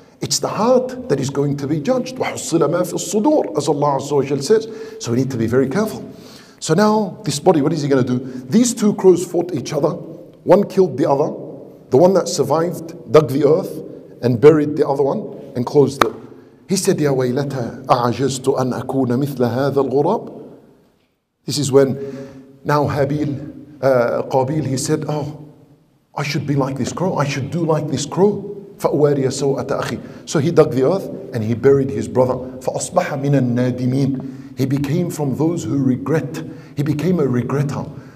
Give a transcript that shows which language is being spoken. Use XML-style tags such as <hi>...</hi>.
<en>It's the heart that is going to be judged.</en> <ar>وَحُصِّلَ مَا فِي الصُّدُورِ</ar> <en>as Allah Azza wa Jal says. So we need to be very careful. So now, this body, what is he going to do? These two crows fought each other. One killed the other. The one that survived dug the earth and buried the other one and closed it. He said,</en> <ar>يَا وَيْلَتَا أَعَجَزْتُ أَنْ أَكُونَ مِثْلَ هَذَا الْغُرَابِ.</ar> <en>This is when now Qabil, he said, oh, I should be like this crow. I should do like this crow.</en> <ar>فَأُوَارِيَ سَوْءَةَ أَخِي.</ar> <en>So he dug the earth and he buried his brother.</en> <ar>فَأَصْبَحَ مِنَ النَّادِمِينَ.</ar> <en>He became from those who regret. He became a regretter.</en>